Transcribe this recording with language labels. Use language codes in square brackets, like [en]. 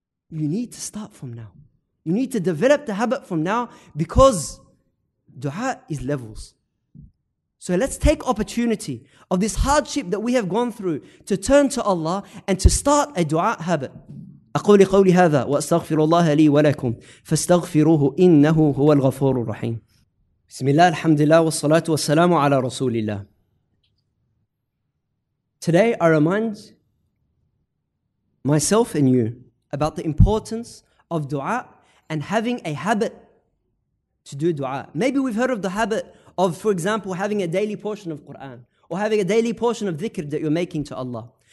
[en] You need to start from now. You need to develop the habit from now because dua is levels. So let's take opportunity of this hardship that we have gone through to turn to Allah and to start a dua habit. [ar] أقول قولي هذا وأستغفر الله لي ولكم فاستغفروه إنه هو الغفور الرحيم. بسم الله الحمد لله والصلاة والسلام على رسول الله. [en] Today, I remind myself and you about the importance of dua and having a habit to do dua. Maybe we've heard of the habit of, for example, having a daily portion of Quran or having a daily portion of dhikr that you're making to Allah.